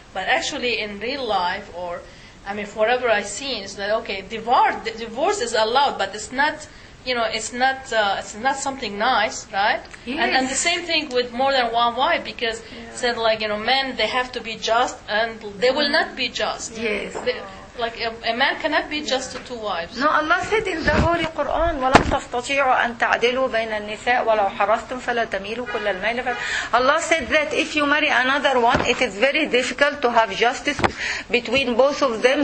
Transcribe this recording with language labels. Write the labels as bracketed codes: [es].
[en] But actually, in real life, or I mean, forever I've seen, it's like okay, divorce is allowed, but it's not, you know, it's not something nice, right? Yes. And the same thing with more than one wife, because said like you know, men they have to be just, and they will not be just. Yes. Like a man cannot be just to two wives. No, Allah said in the Holy Quran, [ar] وَلَمْ تَسْتَطِيعُوا أَن تَعْدِلُوا بَيْنَ النِّسَاءِ وَلَوْ حَرَصْتُمْ فَلَا تَمِيلُوا كُلَّ الْمَيْلِ. [en] Allah said that if you marry another one, it is very difficult to have justice between both of them.